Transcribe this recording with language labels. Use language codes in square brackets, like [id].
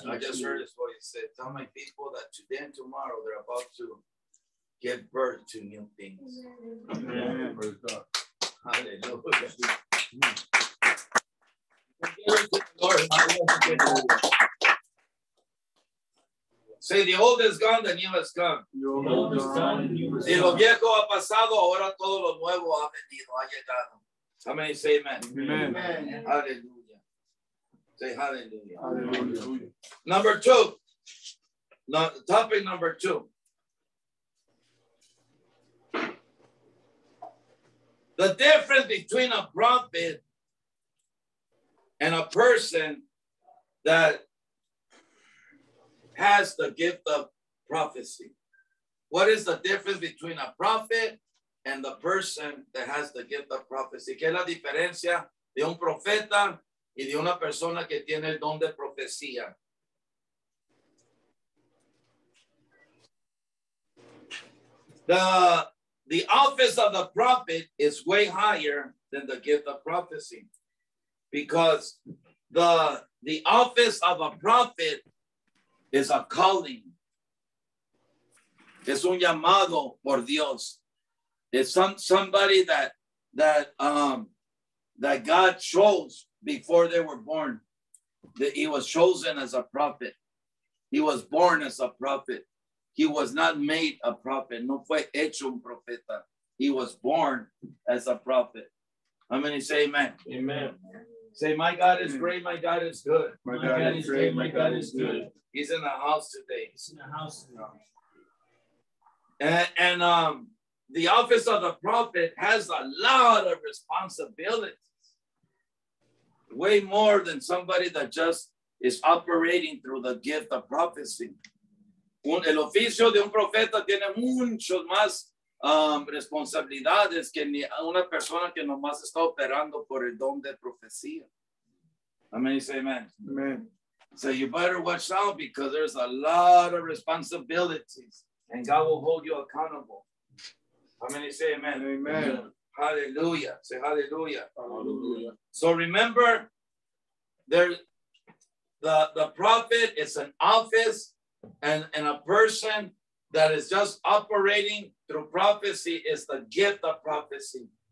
[en] I just heard his voice say, tell my people that today and tomorrow they're about to give birth to new things. Amen. Hallelujah. Say, the old is gone, the new has come. The old is gone, the new has come. [es] Si lo viejo ha pasado, ahora todo lo nuevo ha venido, ha llegado. [en] How many say amen? Amen. Amen. Hallelujah. Say hallelujah. Hallelujah. Number two. Topic number two. The difference between a prophet and a person that has the gift of prophecy. What is the difference between a prophet and the person that has the gift of prophecy? [es] ¿Qué es la diferencia de un profeta y de una persona que tiene el don de profecía? [en] The office of the prophet is way higher than the gift of prophecy, because the office of a prophet is a calling. [es] Es un llamado por Dios. [en] It's somebody that God chose before they were born. He was chosen as a prophet. He was born as a prophet. He was not made a prophet. [es] No fue hecho un profeta. [en] He was born as a prophet. How many say amen? Amen. Say, my God is great, my God is good. My God is great, my God is good. He's in the house today. He's in the house today. And the office of the prophet has a lot of responsibilities. Way more than somebody that just is operating through the gift of prophecy. [es] El oficio de un profeta tiene muchos más responsabilidades que ni una persona que nomás está operando por el don de profecía. [en] How many say amen? Amen. So you better watch out, because there's a lot of responsibilities and God will hold you accountable. How many say amen? Amen. Hallelujah. Say hallelujah. Hallelujah. So remember, there, the prophet is an office, and a person that is just operating through prophecy is the gift of prophecy.